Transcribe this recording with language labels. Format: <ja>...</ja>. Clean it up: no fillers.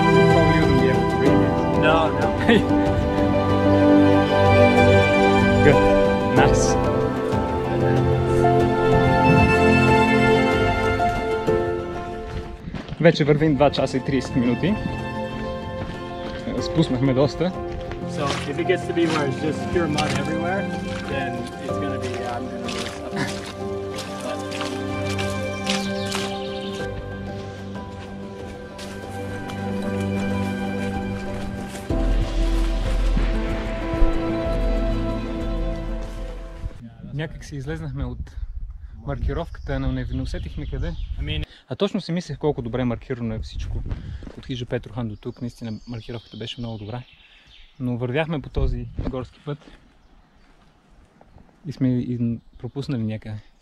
<en>Probably you don't have to bring it. No. Good. Nice.</en> <bg>Вече вървим 2 часа и 30 минути. Спуснахме доста.</bg> <en>So, if it gets to be where it's just pure mud everywhere, then it's going to be, yeah, I'm going to lose something.</en> <bg>Някак си излезнахме от маркировката, но не усетихме къде. А точно си мислех колко добре маркирано е всичко от хижа Петрохан до тук. Наистина маркировката беше много добра. Но вървяхме по този горски път и сме пропуснали някъде.</bg>